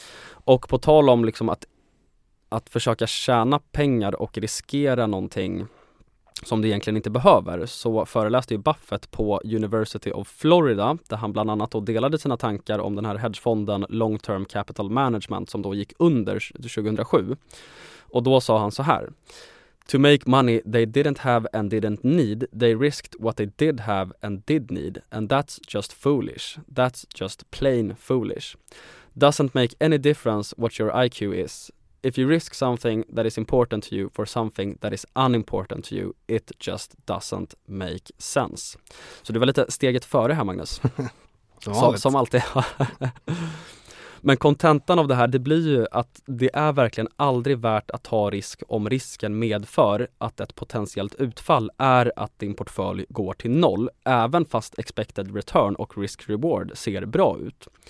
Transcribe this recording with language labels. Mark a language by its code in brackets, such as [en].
[sv] Och på tal om liksom att försöka tjäna pengar och riskera någonting som du egentligen inte behöver, så föreläste ju Buffett på University of Florida, där han bland annat då delade sina tankar om den här hedgefonden Long Term Capital Management som då gick under 2007. Och då sa han så här: [en] "To make money they didn't have and didn't need, they risked what they did have and did need, and that's just foolish. That's just plain foolish. Doesn't make any difference what your IQ is. If you risk something that is important to you for something that is unimportant to you, it just doesn't make sense." [sv] Så du var lite steget före här, Magnus. som alltid. Men kontentan av det här, det blir ju att det är verkligen aldrig värt att ta risk om risken medför att ett potentiellt utfall är att din portfölj går till noll, även fast expected return och risk reward ser bra ut.